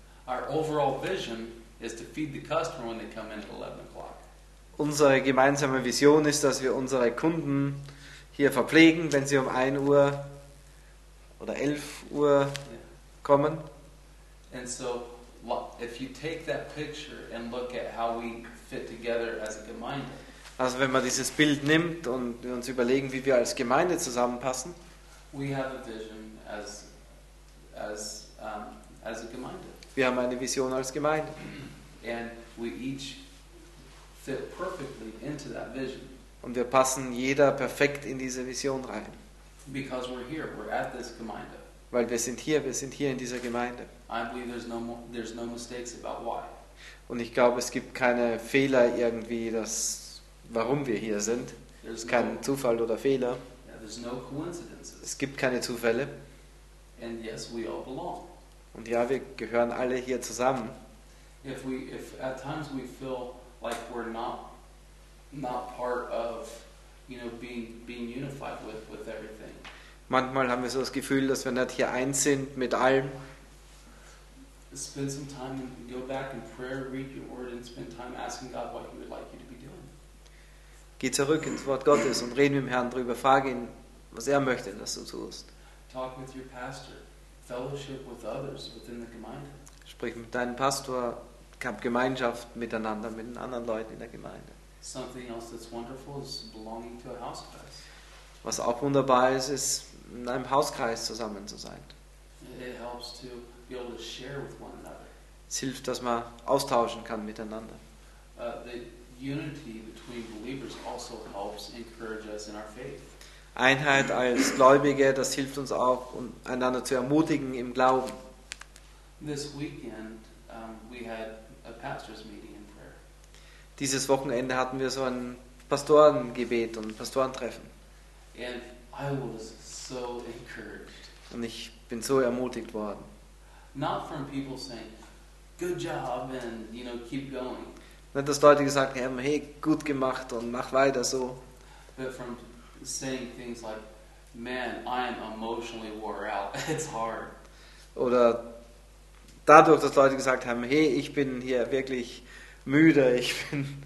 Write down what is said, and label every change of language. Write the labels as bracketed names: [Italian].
[English] Our overall vision is to feed the customer when they come in at 11 o'clock. [German] Unsere gemeinsame Vision ist, dass wir unsere Kunden hier verpflegen, wenn sie um 1 Uhr oder 11 Uhr kommen. [English] And so if you take that picture and look at how we fit together as a Gemeinde. [German] Also wenn man dieses Bild nimmt und wir uns überlegen, wie wir als Gemeinde zusammenpassen. [English] We have a vision as a Gemeinde. [German] Wir haben eine Vision als Gemeinde. [English] And we each fit perfectly into that vision. [German] Und wir passen jeder perfekt in diese Vision rein. [English] Because we're here, we're at this Gemeinde. [German] Weil wir sind hier in dieser Gemeinde. [English] I believe there's no mistakes about why. [German] Und ich glaube, es gibt keine Fehler irgendwie, dass, warum wir hier sind. Es ist kein Zufall oder Fehler. [English] Yeah, there's no coincidences. [German] Es gibt keine Zufälle. [English] And yes, we all belong. [German] Und ja, wir gehören alle hier zusammen. [English] If at times we feel like we're not part of, you know, being unified with everything. [German] Manchmal haben wir so das Gefühl, dass wir nicht hier eins sind mit allem. [English] Spend some time and go back in prayer, read your word and spend time asking God what he would like you to be doing. [German] Geh zurück ins Wort Gottes und reden mit dem Herrn drüber, frage ihn, was er möchte, dass du tust. [English] Talk with your pastor, fellowship with others within the Gemeinde. [German] Sprich mit deinem Pastor, hab Gemeinschaft miteinander, mit den anderen Leuten in der Gemeinde. [English] Something else that's wonderful is belonging to a house of [German] Was auch wunderbar ist, in einem Hauskreis zusammen zu sein. [English] It helps to be able to share with one another. [German] Es hilft, dass man austauschen kann miteinander. [English] The unity between believers also helps encourage us in our faith. [German] Einheit als Gläubige, das hilft uns auch, einander zu ermutigen im Glauben. [English] This weekend, we had a pastor's meeting in prayer. [German] Dieses Wochenende hatten wir so ein Pastorengebet und ein Pastorentreffen. [English] And I was so encouraged. [German] Und ich bin so ermutigt worden. [English] Not from people saying, good job and you know keep going. [German] Nicht, dass Leute gesagt haben, hey, gut gemacht und mach weiter so. [English] But from saying things like, man, I am emotionally wore out. It's hard. [German] Oder dadurch, dass Leute gesagt haben, hey, ich bin hier wirklich müde, ich bin.